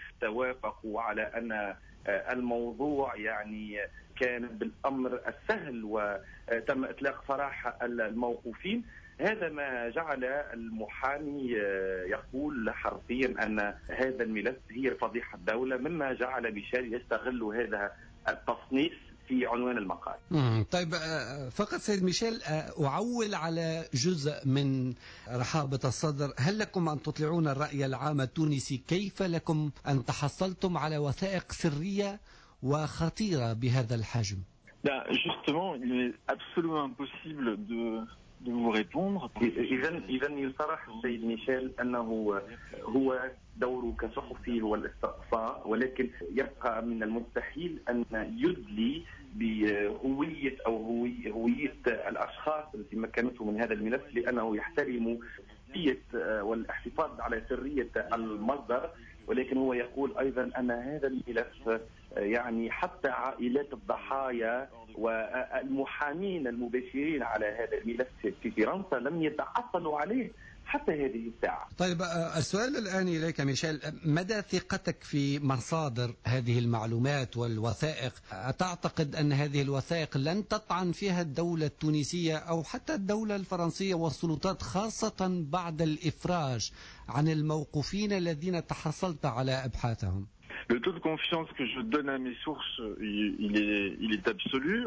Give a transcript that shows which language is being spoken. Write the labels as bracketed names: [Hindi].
[Arabic] توافقوا على أن الموضوع يعني كان بالأمر السهل وتم إطلاق سراح الموقوفين، هذا ما جعل المحامي يقول حرفيا أن هذا الملف هي فضيحة الدولة، مما جعل ميشيل يستغل هذا التصنيف في عنوان المقال. طيب فقط سيد ميشيل، أعول على جزء من رحابة الصدر، هل لكم أن تطلعون الرأي العام التونسي؟ كيف لكم أن تحصلتم على وثائق سرية وخطيرة بهذا الحجم؟ [French] لا justement il est absolument impossible de vous répondre. [Arabic] إذن يصرح السيد ميشيل أنه هو دوره كصحفي هو الاستقصاء، ولكن يبقى من المستحيل أن يدلي بهوية أو هوية الأشخاص التي مكنته من هذا الملف، لأنه يحترم سرية والاحتفاظ على سرية المصدر، ولكن هو يقول أيضا أن هذا الملف يعني حتى عائلات الضحايا والمحامين المباشرين على هذا الملف في فرنسا لم يتعطلوا عليه حتى هذه الساعة. طيب السؤال الآن إليك ميشيل، مدى ثقتك في مصادر هذه المعلومات والوثائق؟ أتعتقد أن هذه الوثائق لن تطعن فيها الدولة التونسية أو حتى الدولة الفرنسية والسلطات، خاصة بعد الإفراج عن الموقوفين الذين تحصلت على أبحاثهم؟ [French] Le taux de confiance que je donne à mes sources, il est absolu.